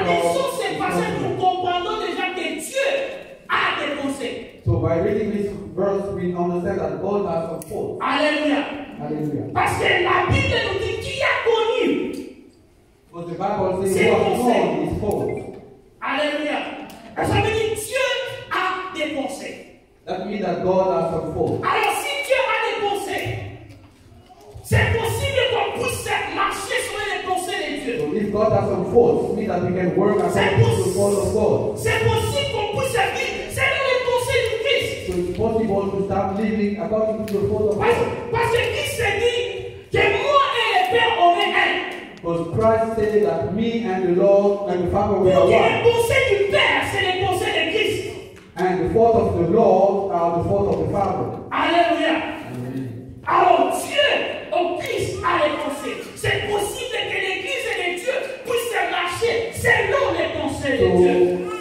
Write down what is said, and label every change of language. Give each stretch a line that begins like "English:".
French: en lisant ces passages, nous comprenons déjà que Dieu a des conseils.
English: So by reading this verse, we understand that God has a thought.
French: Alléluia. Alléluia. Parce que la Bible nous dit qui a connu.
English: But the Bible says who has known his thought.
French: Alléluia. Et ça veut dire Dieu a des conseils.
English: That means that God has a thought.
French: Alors si Dieu a des conseils, c'est possible qu'on puisse marcher sur les conseils de Dieu.
English: So if God has a thought, it means that we can work according to the thought of God.
French: C'est possible qu'on puisse vivre.
English: It's possible to start living according to the thought of God.
French: Parce que Christ s'est dit que moi et le Père on est un.
English: Because Christ said that me and the Lord and the Father we are one.
French: Le conseil du Père c'est le conseil de Christ.
English: And the thought of the Lord are the thought of the Father.
French: Alléluia. Alors Dieu au Christ a le conseil. C'est possible que l'Église et les dieux puissent marcher selon les conseils de Dieu.